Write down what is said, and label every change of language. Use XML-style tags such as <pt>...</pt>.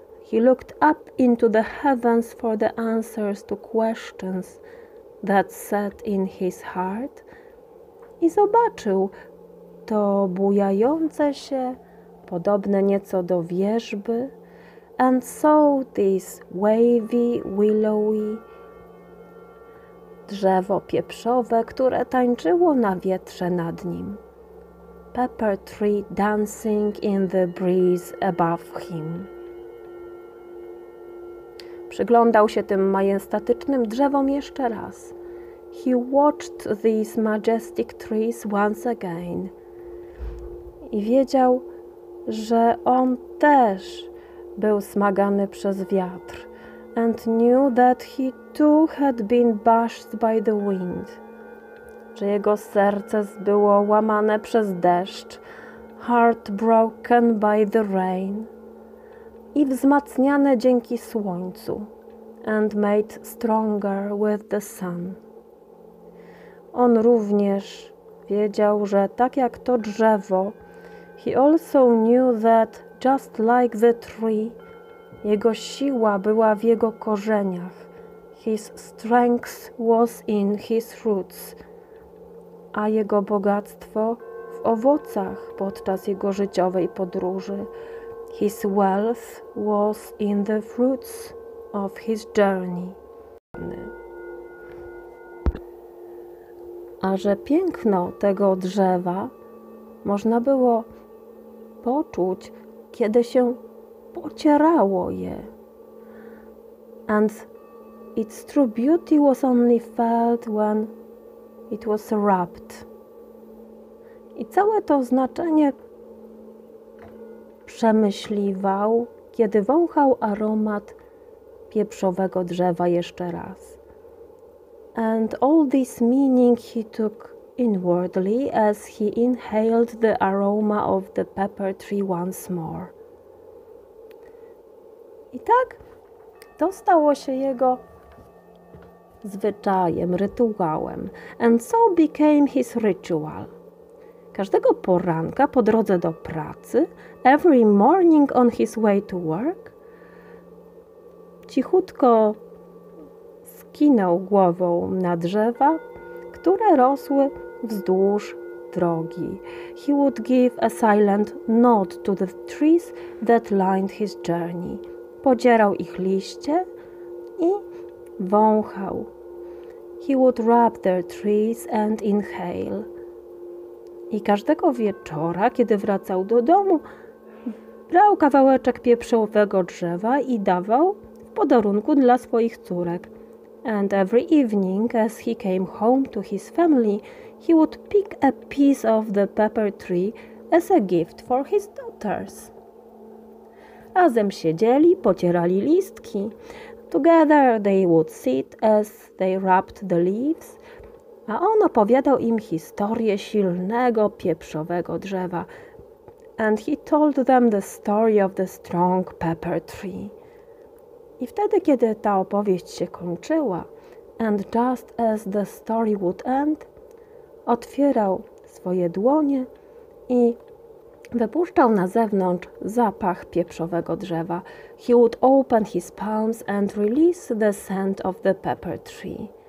<en>He looked up into the heavens for the answers to questions that sat in his heart</en> <pl>i zobaczył to bujające się, podobne nieco do wierzby,</pl> <en>and saw this wavy, willowy</en> <pl>drzewo pieprzowe, które tańczyło na wietrze nad nim.</pl> <en>Pepper tree dancing in the breeze above him.</en> <pl>Przyglądał się tym majestatycznym drzewom jeszcze raz.</pl> <en>He watched these majestic trees once again.</en> <pl>I wiedział, że on też był smagany przez wiatr.</pl> <en>And knew that he too had been bashed by the wind.</en> <pl>Że jego serce było łamane przez deszcz.</pl> <en>Heart broken by the rain.</en> <pl>I wzmacniane dzięki słońcu.</pl> <en>And made stronger with the sun.</en> <pl>On również wiedział, że tak jak to drzewo,</pl> <en>he also knew that just like the tree,</en> <pl>jego siła była w jego korzeniach.</pl> <en>His strength was in his roots.</en> <pl>A jego bogactwo w owocach podczas jego życiowej podróży.</pl> <en>His wealth was in the fruits of his journey.</en> <pl>A że piękno tego drzewa można było poczuć, kiedy się pocierało je.</pl> <en>And its true beauty was only felt when it was rubbed.</en> <pl>I całe to znaczenie przemyśliwał, kiedy wąchał aromat pieprzowego drzewa jeszcze raz.</pl> <en>And all this meaning he took inwardly as he inhaled the aroma of the pepper tree once more.</en> <pl>I tak to stało się jego zwyczajem, rytuałem.</pl> <en>And so became his ritual.</en> <pl>Każdego poranka po drodze do pracy,</pl> <en>every morning on his way to work,</en> <pl>cichutko skinął głową na drzewa, które rosły wzdłuż drogi.</pl> <en>He would give a silent nod to the trees that lined his journey.</en> <pl>Podzierał ich liście i wąchał.</pl> <en>He would rub their trees and inhale.</en> <pl>I każdego wieczora, kiedy wracał do domu, brał kawałeczek pieprzowego drzewa i dawał w podarunku dla swoich córek.</pl> <en>And every evening, as he came home to his family, he would pick a piece of the pepper tree as a gift for his daughters.</en> <pl>Razem siedzieli, pocierali listki.</pl> <en>Together they would sit as they wrapped the leaves.</en> <pl>A on opowiadał im historię silnego pieprzowego drzewa.</pl> <en>And he told them the story of the strong pepper tree.</en> <pl>I wtedy, kiedy ta opowieść się kończyła,</pl> <en>and just as the story would end,</en> <pl>otwierał swoje dłonie i wypuszczał na zewnątrz zapach pieprzowego drzewa.</pl> <en>He would open his palms and release the scent of the pepper tree.</en>